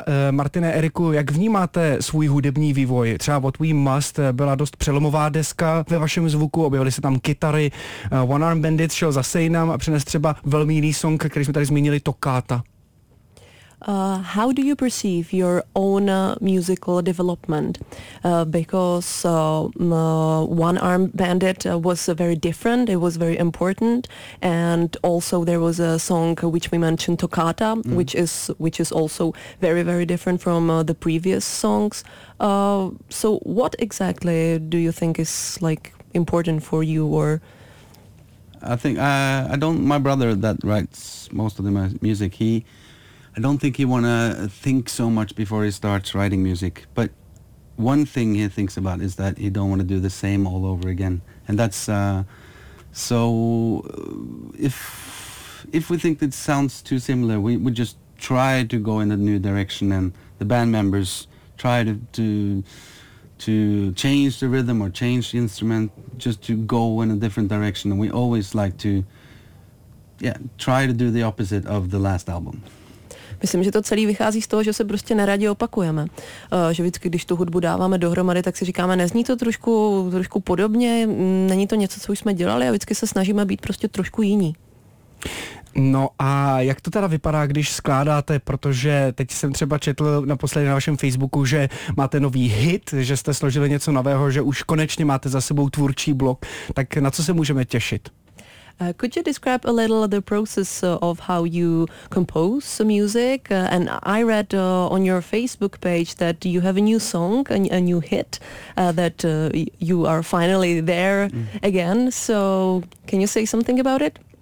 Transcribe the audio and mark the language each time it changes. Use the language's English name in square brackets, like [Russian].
[Czech] Martine, Eriku, jak vnímáte svůj hudební vývoj? Třeba What We Must byla dost přelomová deska ve vašem zvuku, objevily se tam kytary. One Arm Bandit šel zase jinam a přines třeba velmi jiný song, který jsme tady zmínili, Toccata. [English] How do you perceive your own musical development? Because One Arm Bandit was very different, it was very important, and also there was a song which we mentioned, Toccata, mm-hmm. which is also very, very different from the previous songs. So what exactly do you think is like important for you? Or I think I don't, my brother that writes most of the music, I don't think he want to think so much before he starts writing music. But one thing he thinks about is that he don't want to do the same all over again. And that's so if we think that sounds too similar, we just try to go in a new direction, and the band members try to change the rhythm or change the instrument, just to go in a different direction. And we always like to try to do the opposite of the last album. [Czech] Myslím, že to celý vychází z toho, že se prostě neradě opakujeme. Že vždycky, když tu hudbu dáváme dohromady, tak si říkáme, nezní to trošku podobně, není to něco, co už jsme dělali, a vždycky se snažíme být prostě trošku jiní. No a jak to teda vypadá, když skládáte, protože teď jsem třeba četl naposledy na vašem Facebooku, že máte nový hit, že jste složili něco nového, že už konečně máte za sebou tvůrčí blok, tak na co se můžeme těšit? [English] Could you describe a little the process of how you compose music? And I read on your Facebook page that you have a new song, a new hit, that you are finally there again. So can you say something about it?